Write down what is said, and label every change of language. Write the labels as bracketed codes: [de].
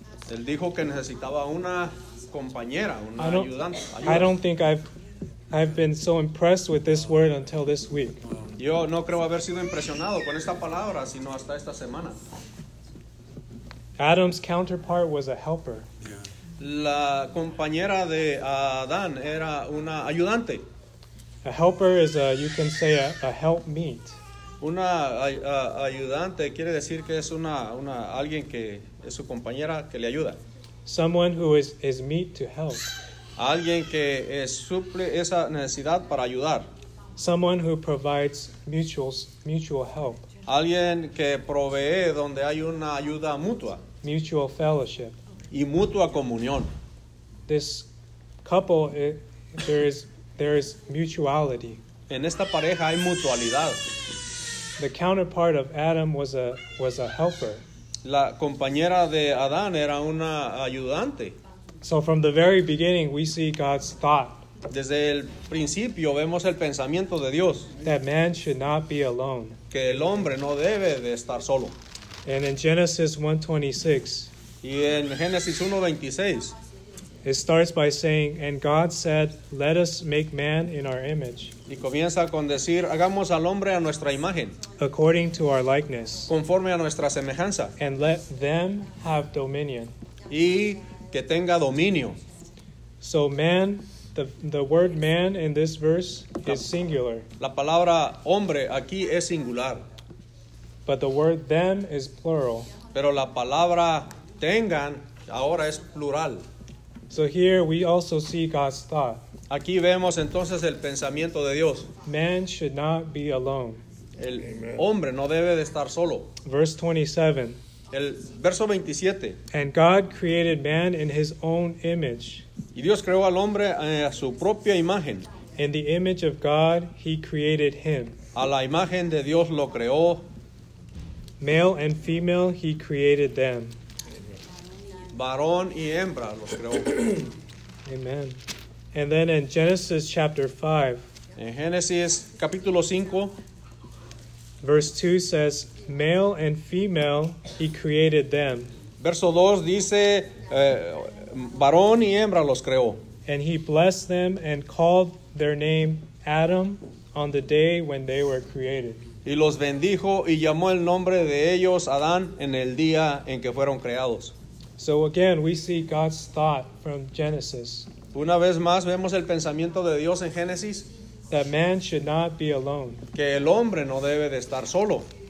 [es] Él dijo que necesitaba una compañera, una ayudante. [en] I don't think I've been so impressed with this word until this week. [es] Yo no creo haber sido impresionado con esta palabra, sino hasta esta semana. [en] Adam's counterpart was a helper. [es] La compañera de Adán era una ayudante. [en] A helper is a, you can say a help meet. [es] Una ayudante quiere decir que es una alguien que es su compañera que le ayuda. [en] Someone who is meet to help. [es] Alguien que es suple esa necesidad para ayudar. [en] Someone who provides mutual help. [es] Alguien que provee donde hay una ayuda mutua. [en] Mutual fellowship. [es] Y mutua comunión. [en] This couple, there is mutuality. [es] En esta pareja hay mutualidad. [en] The counterpart of Adam was a helper. [es] La compañera de Adán era una ayudante. [en] So from the very beginning, we see God's thought. [es] Desde el principio vemos el pensamiento de Dios. [en] That man should not be alone. [es] Que el hombre no debe de estar solo. [en] And in Genesis 1:26. [es] Y en Génesis 1:26. [en] It starts by saying, and God said, let us make man in our image. [es] Y comienza con decir, hagamos al hombre a nuestra imagen. [en] According to our likeness. [es] Conforme a nuestra semejanza. [en] And let them have dominion. [es] Y que tenga dominio. [en] So man, the word man in this verse is singular. [es] La palabra hombre aquí es singular. [en] But the word them is plural. [es] Pero la palabra tengan ahora es plural. [en] So here we also see God's thought. [es] Aquí vemos entonces el pensamiento de Dios. [en] Man should not be alone. [es] El Amen. Hombre no debe de estar solo. [en] Verse 27. [es] El verso 27. [en] And God created man in his own image. [es] Y Dios creó al hombre a su propia imagen. [en] In the image of God, he created him. [es] A la imagen de Dios lo creó. [en] Male and female, he created them. [es] Varón y hembra los creó. [en] Amen. And then in Genesis chapter 5. [es] En Génesis capítulo 5. [en] Verse 2 says, male and female, he created them. [es] Verso 2 dice, varón y hembra los creó. [en] And he blessed them and called their name Adam on the day when they were created. [es] Y los bendijo y llamó el nombre de ellos Adán en el día en que fueron creados. [en] So again, we see God's thought from Genesis. [es] Una vez más, vemos el pensamiento de Dios en Génesis. [en] That man should not be alone. [es] Que el hombre no debe de estar solo.